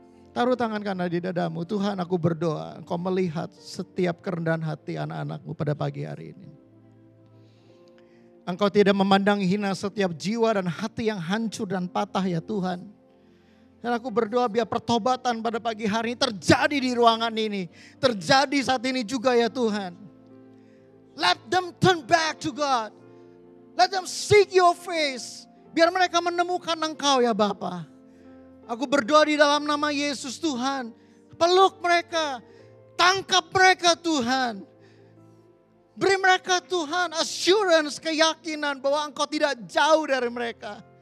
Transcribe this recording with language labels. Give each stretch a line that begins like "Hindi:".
Indonesian: Taruh tangan kanan di dadamu. Tuhan, aku berdoa engkau melihat setiap kerendahan hati anak-anakmu pada pagi hari ini. Engkau tidak memandang hina setiap jiwa dan hati yang hancur dan patah ya Tuhan. Dan aku berdoa biar pertobatan pada pagi hari ini terjadi di ruangan ini. Terjadi saat ini juga ya Tuhan.
English: Let them turn back to God. Let them seek your face.
Indonesian: Biar mereka menemukan engkau ya Bapa. Aku berdoa di dalam nama Yesus Tuhan. Peluk mereka. Tangkap mereka Tuhan. Beri mereka Tuhan assurance, keyakinan bahwa engkau tidak jauh dari mereka.